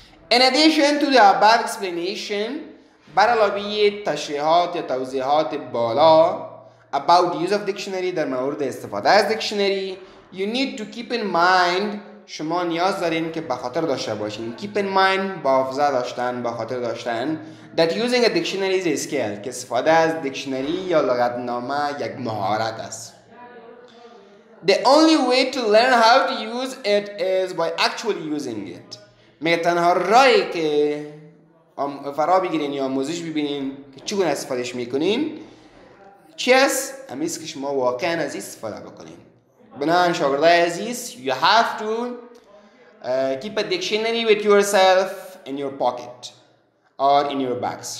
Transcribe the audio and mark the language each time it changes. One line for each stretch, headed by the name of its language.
English: In addition to the above explanation
Persian: بر علاوه تشریحات یا توضیحات بالا
English: about use of dictionary
Persian: در مورد استفاده از dictionary
English: you need to keep in mind
Persian: شما نیاز دارین که بخاطر داشته باشین
English: keep in mind
Persian: با حافظه داشتن با خاطر داشتن
English: that using a dictionary is a skill
Persian: که استفاده از dictionary یا لغتنامه یک مهارت است.
English: The only way to learn how to use it is by actually using it.
Persian: میگه تنها رایی که فرا بگیرین یا آموزش ببینین که چگونه استفادهش میکنین چی هست؟ همیست که شما واقعا از استفاده بکنین. بنابراین شاگرده عزیز
English: you have to keep a dictionary with yourself in your pocket or in your bags.